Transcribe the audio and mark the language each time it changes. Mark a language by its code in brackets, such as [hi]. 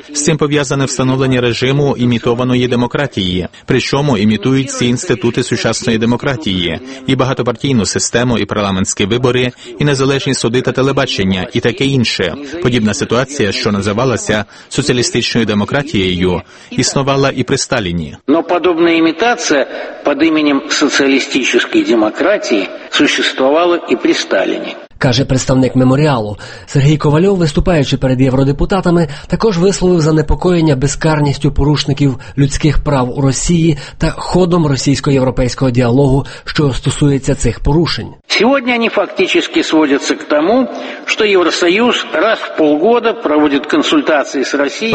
[uk] З цим пов'язане встановлення режиму імітованої демократії, причому імітують ці інститути сучасної демократії, і багатопартійну систему, і парламентські вибори, і незалежні суди та телебачення, і таке інше. Подібна ситуація, що називалася соціалістичною демократією, існувала і при Сталіні. [ru] Но подобная имитация под именем социалистической демократии существовала и при Сталине. [uk] Каже представник меморіалу. Сергій Ковальов, виступаючи перед євродепутатами, також висловив занепокоєння безкарністю порушників людських прав у Росії та ходом російсько-європейського діалогу, що стосується цих порушень. Сьогодні вони фактично сводяться к тому, що Євросоюз раз в півгода проводить консультації з Росією.